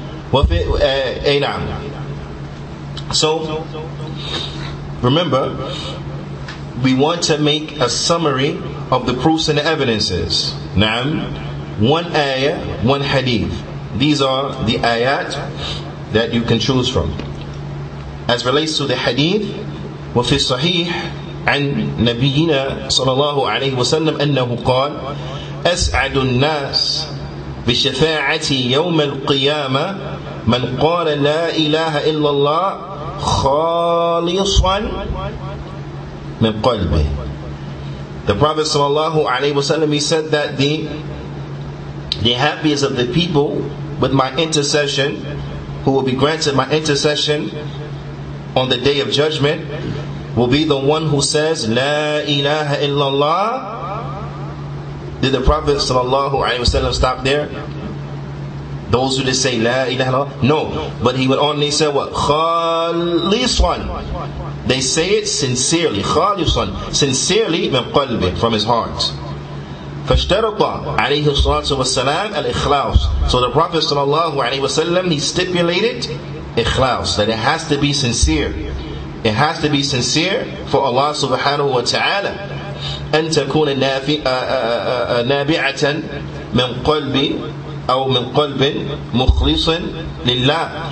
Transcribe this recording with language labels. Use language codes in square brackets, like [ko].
[en] So, remember, we want to make a summary of the proofs and the evidences. Naam, one ayah, one hadith. These are the ayat that you can choose from. As relates to the hadith, [ar] وَفِي الصَّحِيحِ عن نبينا صلى الله عليه وسلم أنه قال أسعد الناس بشفاعتي يوم القيامة من قال لا إله إلا الله خالصا من قلبه. [en] The Prophet [ar] صلى الله عليه وسلم, [en] he said that the happiest of the people with my intercession, who will be granted my intercession on the day of judgment, will be the one who says La ilaha illallah. Did the Prophet sallallahu alaihi wasallam stop there? Those who just say La ilaha illallah? No. But he would only say what? Khalisan. They say it sincerely. Khalisan. Sincerely min qalbi, from his heart. [ar] فَاشْتَرَطَ عَلَيْهِ الصَّلَاةُ وَالسَّلَامُ الْإِخْلَاصُ. [en] So the Prophet sallallahu alaihi wasallam, he stipulated ikhlas, that it has to be sincere. It has to be sincere for Allah subhanahu wa ta'ala. [ar] أن تكون نابعة من قلب أو من قلب مخلص لله.